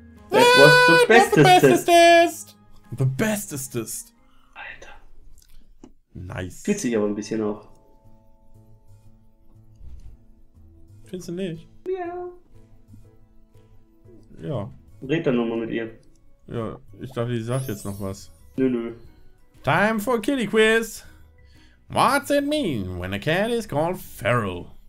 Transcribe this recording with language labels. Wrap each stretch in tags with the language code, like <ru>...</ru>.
<en>That was the bestestest. The bestestest.</en> <de>Alter.</de> <en>Nice.</en> <de>Fühlt sich aber ein bisschen auch. Findest du nicht? Ja. Ja. Red dann nochmal mit ihr. Ja, ich dachte, die sagt jetzt noch was. Nö, nö.</de> <en>Time for Kitty Quiz. What's it mean when a cat is called feral?</en>